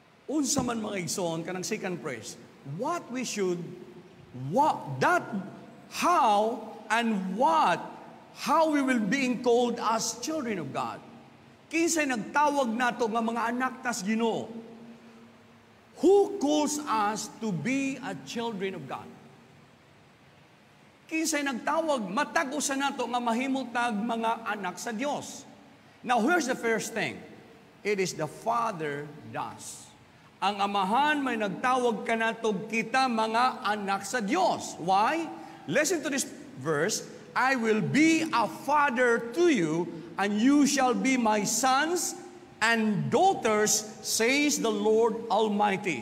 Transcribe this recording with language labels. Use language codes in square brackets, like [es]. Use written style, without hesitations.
[ceb] Unsa man mga igsoon kanang [en] second praise, how we will being called as children of God. [ceb] Kinsay nagtawag nato nga mga anak tas Ginoo? [en] Who calls us to be a children of God? [ceb] Kinsay nagtawag matag usa nato nga mahimutag mga anak sa Dios? [en] Now here's the first thing. It is the Father does. [ceb] Ang Amahan may nagtawag kanato kita mga anak sa Dios. [en] Why? Listen to this verse. I will be a father to you, and you shall be my sons and daughters, says the Lord Almighty.